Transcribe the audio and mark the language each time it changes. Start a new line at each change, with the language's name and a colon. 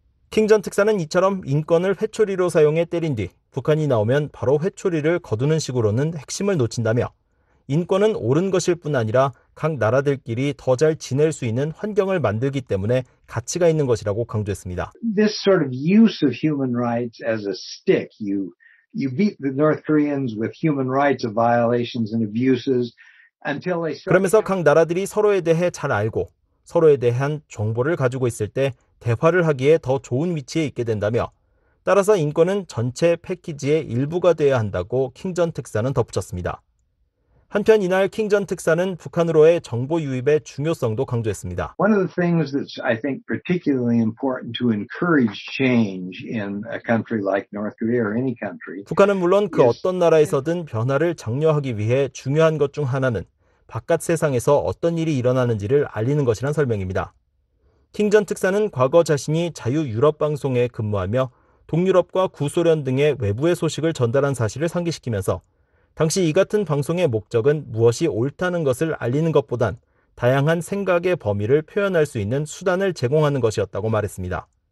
Korean: 킹 전 특사는 이처럼 인권을 회초리로 사용해 때린 뒤 북한이 나오면 바로 회초리를 거두는 식으로는 핵심을 놓친다며 인권은 옳은 것일 뿐 아니라 각 나라들끼리 더 잘 지낼 수 있는 환경을 만들기 때문에 가치가 있는 것이라고 강조했습니다.
English: This sort of use of human rights as a stick, you beat the North Koreans with human rights violations and abuses until they start.
Korean: 그러면서 각 나라들이 서로에 대해 잘 알고 서로에 대한 정보를 가지고 있을 때 대화를 하기에 더 좋은 위치에 있게 된다며 따라서 인권은 전체 패키지의 일부가 되어야 한다고 킹 전 특사는 덧붙였습니다. 한편 이날 킹 전 특사는 북한으로의 정보 유입의 중요성도 강조했습니다.
English: One of the things that I think particularly important to encourage change in a country like North Korea or any country.
Korean: 북한은 물론 그 어떤 나라에서든 변화를 장려하기 위해 중요한 것 중 하나는 바깥 세상에서 어떤 일이 일어나는지를 알리는 것이란 설명입니다. 킹 전 특사는 과거 자신이 자유 유럽 방송에 근무하며 동유럽과 구소련 등의 외부의 소식을 전달한 사실을 상기시키면서 당시 이 같은 방송의 목적은 무엇이 옳다는 것을 알리는 것보단 다양한 생각의 범위를 표현할 수 있는 수단을 제공하는 것이었다고 말했습니다.